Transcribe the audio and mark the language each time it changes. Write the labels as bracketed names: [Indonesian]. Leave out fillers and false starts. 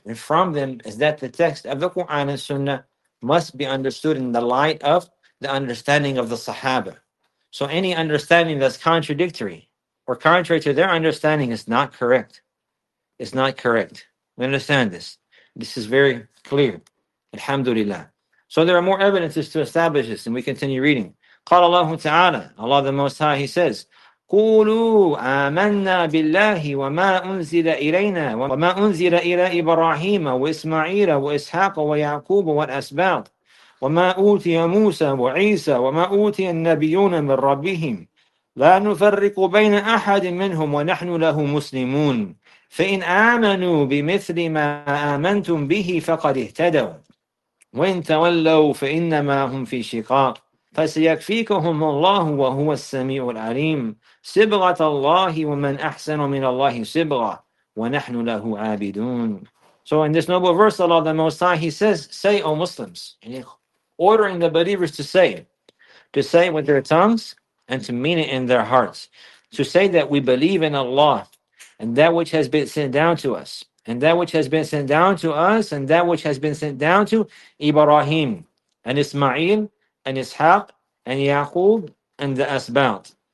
[English] And from them is that the text of the Quran and Sunnah must be understood in the light of the understanding of the Sahaba. So any understanding that's contradictory or contrary to their understanding is not correct. It's not correct. We understand this. This is very clear. Alhamdulillah. So there are more evidences to establish this, and we continue reading. [Arabic] قال الله تعالى, [English] Allah the Most High, He says, [Arabic] قولوا آمنا بالله وما أنزل إلينا وما أنزل إلى إبراهيم وإسماعيل وإسحاق ويعقوب والأسباط وما أوتي موسى وعيسى وما أوتي النبيون من ربهم لا نفرق بين أحد منهم ونحن له مسلمون فإن آمنوا بمثل ما آمنتم به فقد اهتدوا وَإِن تَوَلَّوْا فَإِنَّمَا هُمْ فِي شِقَاقٍ فَسَيَكْفِيكَهُمُ اللَّهُ وَهُوَ السَّمِيعُ الْعَلِيمُ صِبْغَةَ اللَّهِ وَمَنْ أَحْسَنُ مِنَ اللَّهِ صِبْغَةً وَنَحْنُ لَهُ عَابِدُونَ. [English] So in this noble verse, Allah the Most High, He says, say, O Muslims, and ordering the believers to say it with their tongues and to mean it in their hearts, to say that we believe in Allah and that which has been sent down to us. And that which has been sent down to us, and that which has been sent down to Ibrahim, and Ismail, and Ishaq, and Yaqub, and the Asbat.